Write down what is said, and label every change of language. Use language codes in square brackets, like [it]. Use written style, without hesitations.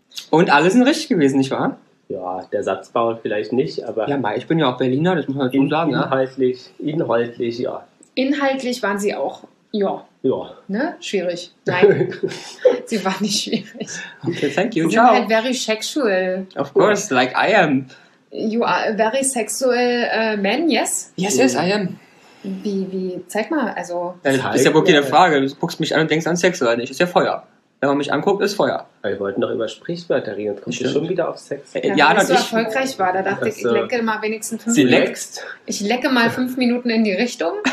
[de] Und alles sind richtig gewesen, nicht wahr? Ja, der Satzbau vielleicht nicht, aber... Ja, ich bin ja auch Berliner, das muss man schon sagen. Inhaltlich, ja. Inhaltlich waren sie auch, ja. Ja. Ne? Schwierig. Nein, sie war nicht schwierig. [en] Okay, thank you. [de] Sie [it] ciao. [de] Sind halt [en] very sexual. Of course, like I am. You are a very sexual man, yes? Yes, I am. [de] Wie, zeig mal, also... Das ist ja wohl keine Frage. Du guckst mich an und denkst an Sex oder nicht. Ist ja Feuer. Wenn man mich anguckt, ist Feuer. Aber wir wollten doch über Sprichwörter reden. Jetzt kommst du schon wieder auf Sex. Ja, wenn ich so erfolgreich war, da dachte ich, ich lecke mal wenigstens fünf Minuten. Sie leckst? Ich lecke mal fünf Minuten in die Richtung.